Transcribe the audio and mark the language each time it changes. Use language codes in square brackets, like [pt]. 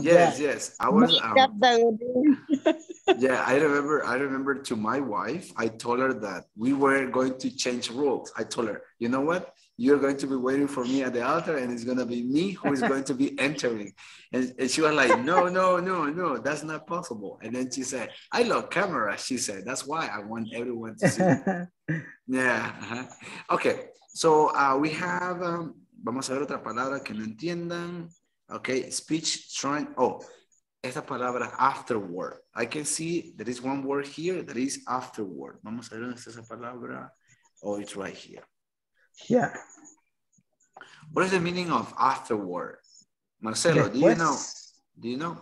[en] Yes. I remember to my wife, I told her that we were going to change rules. I told her, you know what? You're going to be waiting for me at the altar, and it's going to be me who is going to be entering. And she was like, no, that's not possible. And then she said, I love camera. She said, that's why I want everyone to see. Yeah. Uh-huh. Okay. So we have, [es] vamos a ver otra palabra que no entiendan. [en] Okay. Speech trying. Oh, [es] esta palabra [en] afterward. I can see there is one word here that is afterward. [es] Vamos a ver dónde está esa palabra. [en] Oh, it's right here. Yeah. What is the meaning of afterward? Marcelo, después. Do you know?